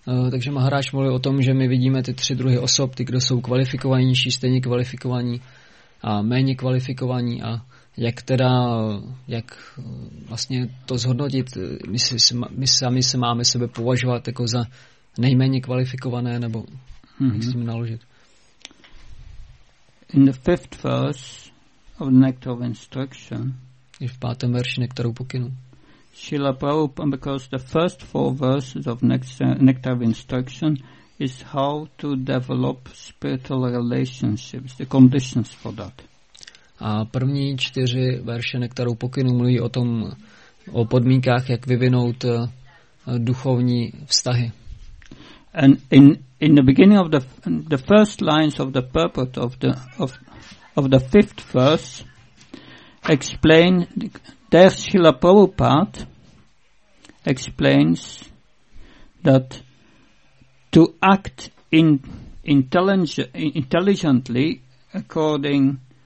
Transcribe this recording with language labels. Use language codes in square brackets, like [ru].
[cs] Takže Maharaj mluví o tom, že my vidíme ty tři druhy osob, ty, kdo jsou kvalifikovanější, stejně kvalifikovaní a méně kvalifikovaní, a jak teda, jak vlastně to zhodnotit, my sami se máme sebe považovat jako za nejméně kvalifikované, nebo jak s tím naložit. [en] In the fifth verse of the Nectar of Instruction, [cs] v pátém verši Nektaru pokynu, [en] Srila Prabhupada, because the first four verses of Nectar of Instruction is how to develop spiritual relationships, the conditions for that. [cs] A první čtyři verše Nektaru pokynu mluví o tom, o podmínkách, jak vyvinout duchovní vztahy. [en] And in the beginning of the first lines of the purport of the fifth verse explain, there Srila Prabhupada explains that to act in intelligently according